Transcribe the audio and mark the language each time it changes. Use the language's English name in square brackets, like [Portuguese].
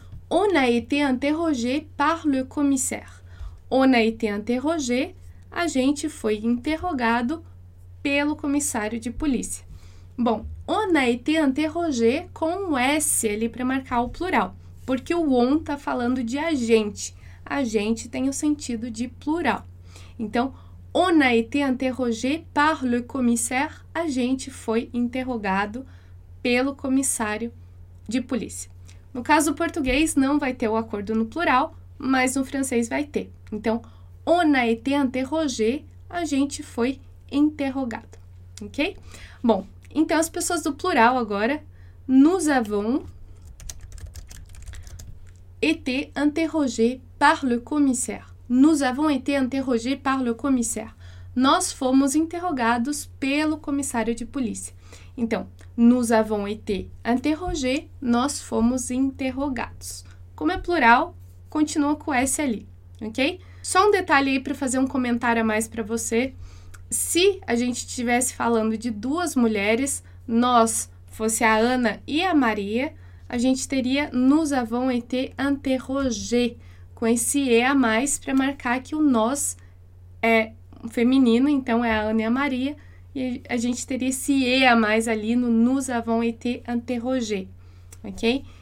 [French] On a été interrogé par le commissaire. On a été interrogé. [Portuguese] A gente foi interrogado pelo comissário de polícia. Bom, [French] on a été interrogé [Portuguese] com um S ali para marcar o plural, porque o on está falando de a gente tem o sentido de plural. Então, [French] on a été interrogé par le commissaire, [Portuguese] a gente foi interrogado pelo comissário de polícia. No caso português, não vai ter o acordo no plural, mas no francês vai ter. Então, [French] on a été interrogé, [Portuguese] a gente foi interrogado, ok? Bom, então as pessoas do plural agora, [French] nous avons été interrogé par le commissaire. Nous avons été interrogé par le commissaire. [Portuguese] Nós fomos interrogados pelo comissário de polícia. Então, [French] nous avons été interrogé, [Portuguese] nós fomos interrogados. Como é plural, continua com S ali, ok? Só um detalhe aí para fazer um comentário a mais para você. Se a gente estivesse falando de duas mulheres, nós fosse a Ana e a Maria, a gente teria [French] nous avons été interrogés, [Portuguese] com esse E a mais para marcar que o nós é feminino, então é a Ana e a Maria, e a gente teria esse E a mais ali no [French] nous avons été interrogés, [Portuguese] ok?